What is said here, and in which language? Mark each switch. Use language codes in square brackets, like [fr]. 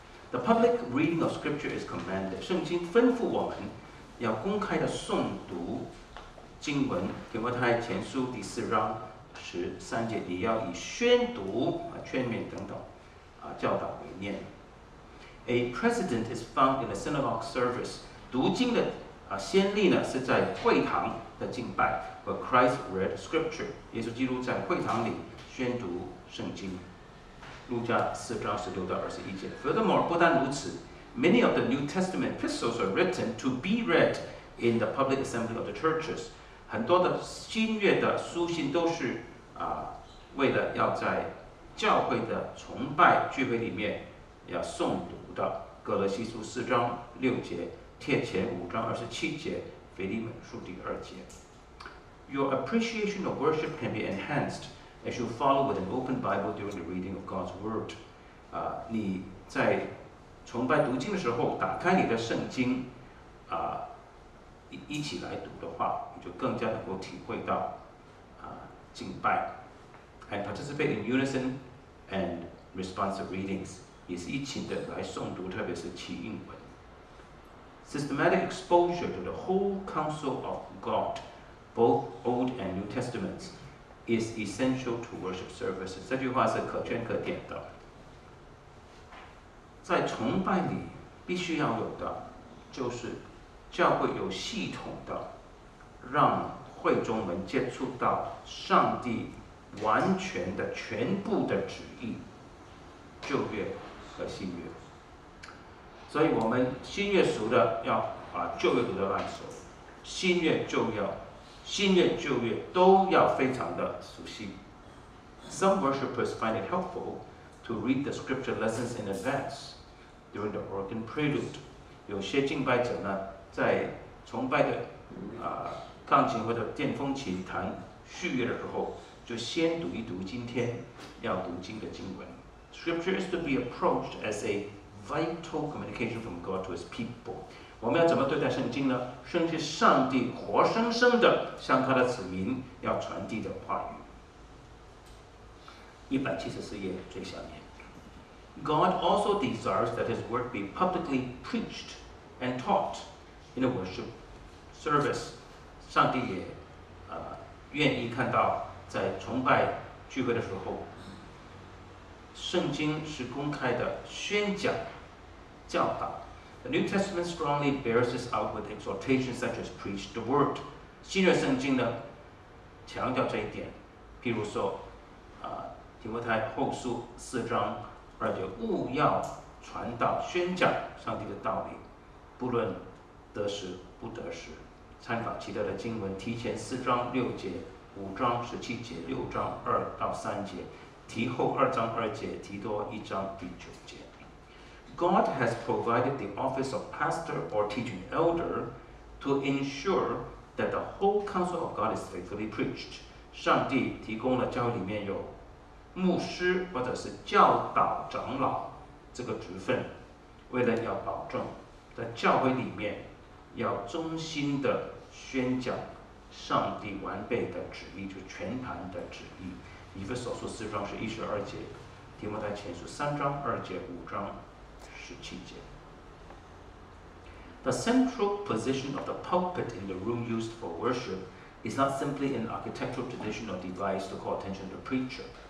[en] The public reading of scripture is commanded. [zh] 圣经吩咐我们要公开的诵读经文，提摩太前书第四章十三节，也要以宣读啊、劝勉等等啊教导为念。 [en] A precedent is found in the synagogue service. [zh] 读经的先例呢是在会堂的敬拜。 [en] Where Christ read scripture. [zh] 耶稣基督在会堂里宣读圣经。路加四章十六到二十一节。 [en] Furthermore, [zh] 不但如此 [en] ，many of the New Testament epistles are written to be read in the public assembly of the churches. [zh] 很多的新约的书信都是为了要在教会的崇拜聚会里面要诵读的。哥罗西书四章六节，帖前五章二十七节，腓立门书第二节。 [en] Your appreciation of worship can be enhanced. As you follow with an open Bible during the reading of God's Word. [zh] 你在崇拜读经的时候打开你的圣经一起来读的话，你就更加能够体会到敬拜。 [en] And participate in unison and responsive readings. [zh] 也是一起的来诵读，特别是起应文。 [en] Systematic exposure to the whole counsel of God, both Old and New Testaments,is essential to worship services. [zh] 这句话是可圈可点的。在崇拜里必须要有的就是教会有系统的让会众们接触到上帝完全的全部的旨意，旧约和新约。所以我们新约熟的要把旧约读的烂熟，新约就要新月旧月都要非常的熟悉。 [en] Some worshippers find it helpful to read the scripture lessons in advance during the organ prelude. [zh] 有些敬拜者呢，在崇拜的钢琴或者电风琴弹序乐的时候，就先读一读今天要读经的经文。 [en] Scripture is to be approached as a vital communication from God to His people. [zh] 我们要怎么对待圣经呢？圣经是上帝活生生的向他的子民要传递的话语。 174页最下面。 [en] God also desires that his word be publicly preached and taught in a worship service. [zh] 上帝也愿意看到在崇拜聚会的时候，圣经是公开的宣讲教导。 [en] The New Testament strongly bears this out with exhortations such as preach the word. [zh] 新约圣经呢，强调这一点。譬如说，提摩太后书四章二节，务要传道宣讲上帝的道理，不论得时不得时。参考其他的经文，提前四章六节、五章十七节、六章二到三节，提后二章二节，提多一章第九节。 [en] God has provided the office of pastor or teaching elder to ensure that the whole counsel of God is faithfully preached. [zh] 上帝提供了教会里面有牧师或者是教导长老这个职分，为了要保证在教会里面要忠心的宣讲上帝完备的旨意，就是全盘的旨意。以弗所书四章是一十二节，提摩太前书三章二节，五章 [en] The central position of the pulpit in the room used for worship is not simply an architectural tradition or device to call attention to the preacher.